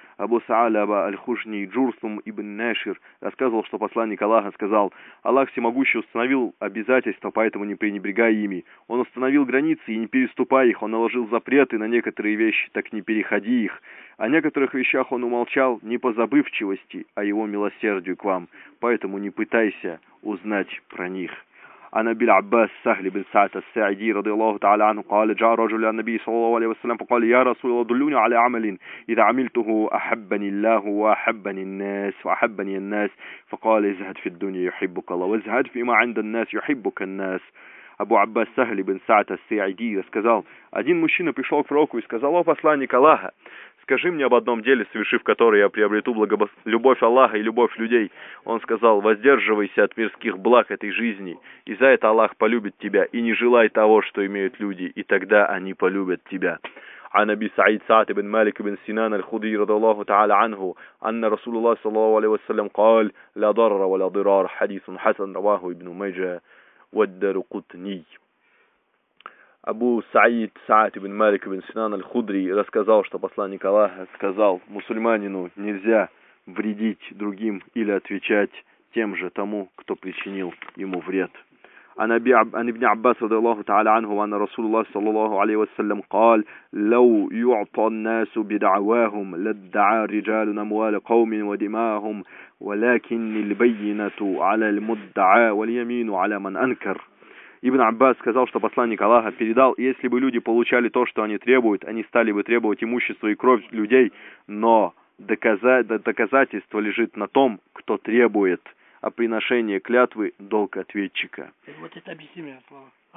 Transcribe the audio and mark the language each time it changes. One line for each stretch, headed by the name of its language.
Russian: Абу Саалаба аль-Хушни Джурсум ибн Нашир рассказывал, что посланник Аллаха сказал: «Аллах Всемогущий установил обязательства, поэтому не пренебрегай ими. Он установил границы, и не переступай их. Он наложил запреты на некоторые вещи, так не переходи их. О некоторых вещах он умолчал не по забывчивости, а его милосердию к вам. Поэтому не пытайся узнать про них».
Arabic: عن أبي العباس سهل بن سعد الساعدي رضي الله تعالى عنه قال: جاء رجل إلى النبي صلى الله عليه وسلم فقال: يا رسول الله دلوني على عمل إذا عملته أحبني الله وأحبني الناس وأحبني الناس. فقال: ازهد في الدنيا يحبك الله وازهد فيما عند الناس يحبك الناس.
Russian: Абу Аббас Сахли бин Саад ас-Саиди сказал: один мужчина пришел к пророку и сказал: о посланник Аллаха, скажи мне об одном деле, совершив которое, я приобрету любовь Аллаха и любовь людей. Он сказал: воздерживайся от мирских благ этой жизни, и за это Аллах полюбит тебя, и не желай того, что имеют люди, и тогда они полюбят тебя.
Arabic: عن أبي سعيد سعد بن مالك بن سنان الخدري رضي الله تعالى عنه أن رسول الله صلى الله عليه وسلم قال: لا ضرر ولا ضرار. حديث حسن رواه ابن ماجه والدارقطني.
Russian: Абу Саид Саад ибн Малик ибн Синан аль-Худри рассказал, что посланник Аллаха сказал: мусульманину нельзя вредить другим или отвечать тем же тому, кто причинил ему вред.
Arabic: عن ابن عباس رضي الله تعالى عنه وأن رسول الله صلى الله عليه وسلم قال: لو يعطى الناس بدعواهم لدعى رجال أموال قوم ودماءهم ولكن البينة على المدعى واليمين على من أنكر.
Russian: Ибн Аббас сказал, что посланник Аллаха передал: если бы люди получали то, что они требуют, они стали бы требовать имущество и кровь людей, но доказательство лежит на том, кто требует, а приношение клятвы – долг ответчика. Вот это объяснимое слово.